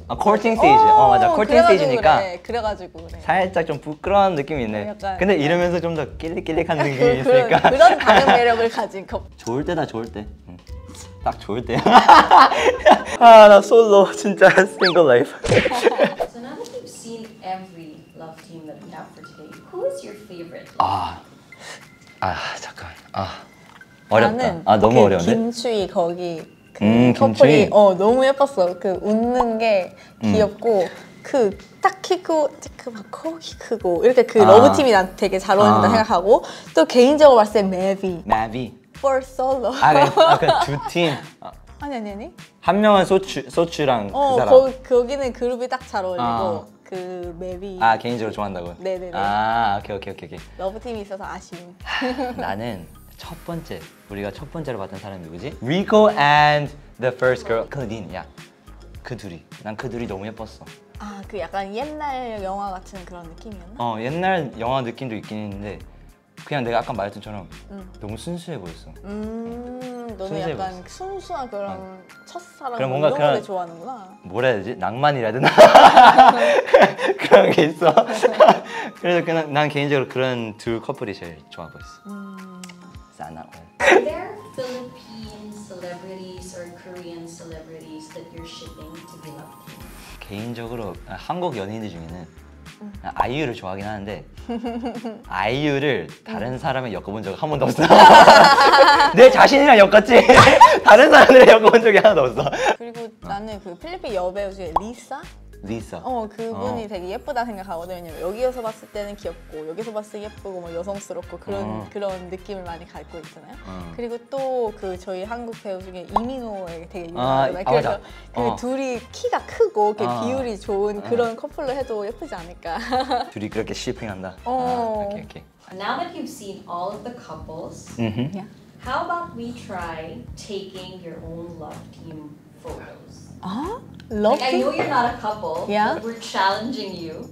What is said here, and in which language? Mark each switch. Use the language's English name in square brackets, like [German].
[Korean] 아, 코팅 스테이지. 어, 맞아. 코팅 스테이지니까. 그래. 그래 가지고 그래. 살짝 좀 부끄러운 느낌이 있네. 약간, 근데 약간. 이러면서 좀 더 낄릭낄릭한 느낌이 있으니까. 그런 다른 매력을 가진 커플. 좋을 때다. 좋을 때. 딱 좋을 때. 아, 나 솔로 진짜 싱글 라이프. [English] So now that you've seen every love team that we have for today, who is your favorite? [Korean] 아. 잠깐. 아. 어렵다. 나는 아 너무 그 어려운데. 김추희 거기 그 커플이 김추희? 어 너무 예뻤어. 그 웃는 게 귀엽고 그 딱 키고 그 막 거기 크고 이렇게 그 아. 러브 팀이 난 되게 잘 어울린다 아. 생각하고 또 개인적으로 봤을 때 매비 [English] for solo. [Korean] 아 그 두 팀. 아니 한 명은 소추랑 어, 그 사람. 거기는 그룹이 딱 잘 어울리고. 아. 그 맵이 아 개인적으로 좋아한다고? 네네네. 아 오케이 러브팀이 있어서 아쉬움. 나는 첫 번째 우리가 첫 번째로 봤던 사람이 누구지? [English] Rico and the first girl, Claudine. [Korean] 야 그 둘이 난 그 둘이 너무 예뻤어. 아 그 약간 옛날 영화 같은 그런 느낌이었나? 어 옛날 영화 느낌도 있긴 했는데 그냥 내가 아까 말했던처럼 너무 순수해 보였어. 너는 순수해 약간 보였어. 순수한 그런 아. 첫사랑 그런 뭔가 그런 걸 좋아하는구나. 뭐라 해야 되지? 낭만이라 되나? 그런 게 있어. 그래서 그냥 난 개인적으로 그런 두 커플이 제일 좋아 보였어. 사나. [English] Are there Philippine celebrities or Korean celebrities that you're shipping to be loved? [Korean] 개인적으로 한국 연예인들 중에는 아이유를 좋아하긴 하는데 아이유를 다른 사람이 엮어본 적 한 번도 없어. 내 자신이랑 엮었지. 다른 사람을 엮어본 적이 하나도 없어. 그리고 나는 그 필리핀 여배우 중에 리사? 리사. 어 그분이 어. 되게 예쁘다 생각하거든. 왜냐면 여기에서 봤을 때는 귀엽고 여기서 봤을 때 예쁘고 뭐 여성스럽고 그런 어. 그런 느낌을 많이 갖고 있잖아요. 그리고 또 그 저희 한국 배우 중에 이민호의 되게 유명하잖아요. 그래서 아, 그 어. 둘이 키가 크고 이렇게 어. 비율이 좋은 그런 커플로 해도 예쁘지 않을까. 둘이 그렇게 쉐핑한다. 어. 아, 오케이. [English] Now that you've seen all of the couples, yeah. how about we try taking your own love team photos? 아? Love like, team? I know you're not a couple, yeah? but we're challenging you.